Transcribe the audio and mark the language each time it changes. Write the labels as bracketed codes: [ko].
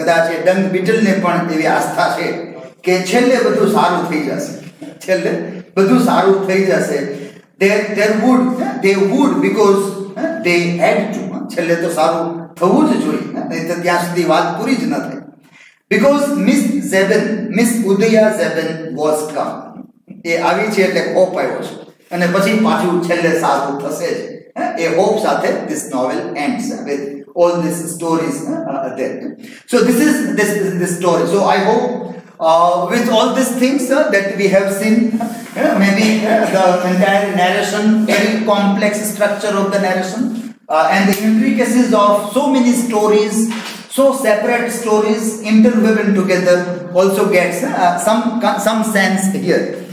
[gu] કદાચ એ ડંગ બીટલને પણ એવી આસ્થા છે કે છેલ્લે બધું સારું થઈ જશે, છેલ્લે બધું સારું થઈ જશે. [en] They would, because they had to. [gu] છેલ્લે તો સારું થવું જ જોઈએ, નહીં તો ત્યાં સુધી વાત પૂરી જ ન થાય. [en] Because Miss Zeben, Miss Udaya Zeben was come. [gu] એ આવી છે એટલે હોપ આવ્યો છે અને પછી પાછું છેલ્લે સારું થશે જ એ હોપ સાથે [en] this novel ends with all these stories there. So this is the story. So I hope with all these things that we have seen, maybe the entire narration, very complex structure of the narration, and the intricacies of so many stories, so separate stories interwoven together, also gets some sense here.